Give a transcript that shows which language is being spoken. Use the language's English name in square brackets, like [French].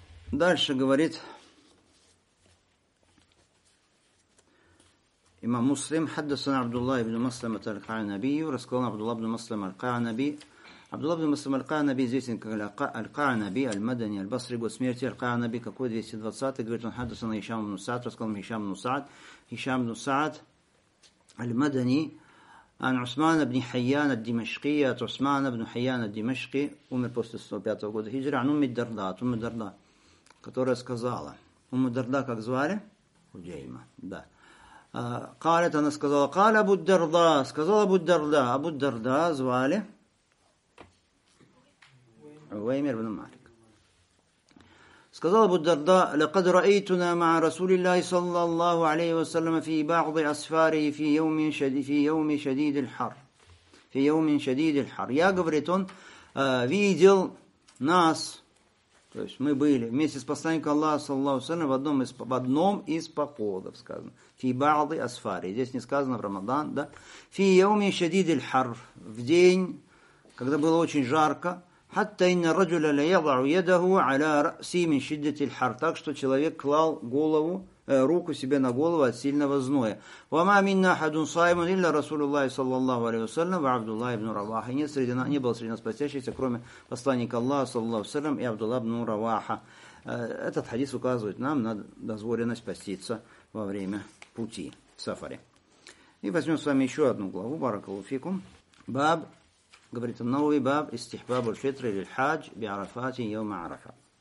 [Russian] Дальше говорит имам Муслим, хаддасан Абдулла ибн Муслим аль-Ка'анабию, рассказал Абдулла ибн Муслим аль-Ка'анаби. Абдулла ибн Муслим аль-Ка'анаби известен как аль-Ка'анаби, аль-Мадани, аль-Басри, год смерти аль-Ка'анаби, какой 220-й, говорит он, хаддасан Хишам ибн Саад, рассказал Хишам ибн Саад. [Arabic] Хишам ибн Саад аль-Мадани, عن عثمان بن حيان الدمشقي عثمان بن حيان الدمشقي [Russian] умер после 105 года хиджры [Arabic] عن أم الدرداء أم الدرداء [Russian] которая сказала [Arabic] أم الدرداء [Russian] как звали [Arabic] حجيمة да قالت [Russian] она сказала [Arabic] قال أبو الدرداء сказала أبو الدرداء أبو الدرداء звали [Russian] عويمر بن مالك сказала أبو الدرداء [Arabic] لقد رأيتنا مع رسول الله صلى الله عليه وسلم في بعض أسفاره في يوم شديد الحر [Russian] я, говорит он, видел нас, то есть мы были вместе с посланником Аллаха [Arabic] صلى الله عليه وسلم [Russian] в одном из походов, сказано [Arabic] في بعض أسفاره, [Russian] здесь не сказано в Рамадан, да, [Arabic] في يوم شديد الحر, [Russian] в день, когда было очень жарко. [Arabic] حتى إن الرجل لا يضع يده على رأسي من شدة الحر. [Russian] Так что человек клал голову, руку себе на голову от сильного зноя. [Arabic] وما منا أحد صائم إلا رسول الله صلى الله عليه وسلم وعبد الله بن رواحة. [Russian] Не было среди нас постящихся, кроме посланника Аллаха [Arabic] صلى الله عليه وسلم [Russian] и Абдулла ибн Раваха. Этот хадис указывает нам на дозволенность поститься во время пути в сафаре. И возьмем с вами еще одну главу. [Arabic] Баракаллаху фикум. [Russian] Баб. Говорит он, новый [Arabic] баб, истихбаб аль-фитр лиль-хадж би-арафати йаум арафа.